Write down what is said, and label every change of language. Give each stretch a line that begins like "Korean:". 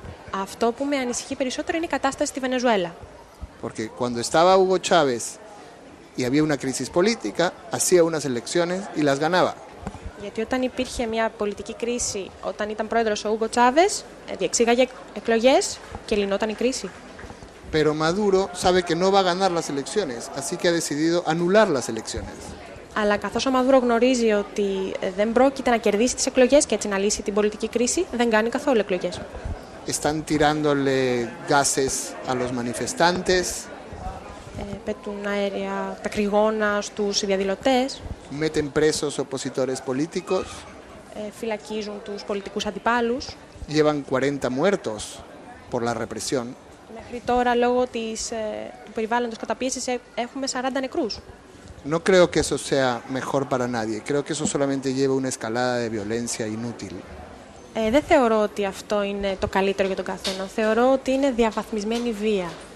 Greek: Αυτό που με ανησυχεί περισσότερο είναι η κατάσταση στη Βενεζουέλα.
Spanish: Porque cuando estaba Hugo Chávez y había una crisis política, hacía unas elecciones y las ganaba.
Greek: Γιατί όταν υπήρχε μια πολιτική κρίση, όταν ήταν πρόεδρος ο Hugo Chávez, διεξήγαγε εκλογές και λυνόταν η κρίση.
Spanish: Pero Maduro sabe que no va a ganar las elecciones, así que ha decidido anular las elecciones.
Greek: Αλλά καθώς ο Μαδούρο γνωρίζει ότι δεν πρόκειται να κερδίσει τις εκλογές και έτσι να λύσει την πολιτική κρίση, δεν κάνει καθόλου εκλογές.
Spanish: Están tirándole gases a los manifestantes.
Greek: Πετούν αέρια, τα κρυγόνα στους διαδηλωτές.
Spanish: Meten presos opositores políticos.
Greek: Φυλακίζουν τους πολιτικούς αντιπάλους.
Spanish: Llevan 40 muertos por la represión.
Greek: Μέχρι τώρα, λόγω της, του περιβάλλοντος καταπίεσης, έχουμε 40 νεκρούς.
Spanish: No creo que eso sea mejor para nadie. Creo que eso solamente lleva una escalada de violencia inútil.
Greek: Δεν θεωρώ ότι αυτό είναι το καλύτερο για τον καθένα. Θεωρώ ότι είναι διαβαθμισμένη βία.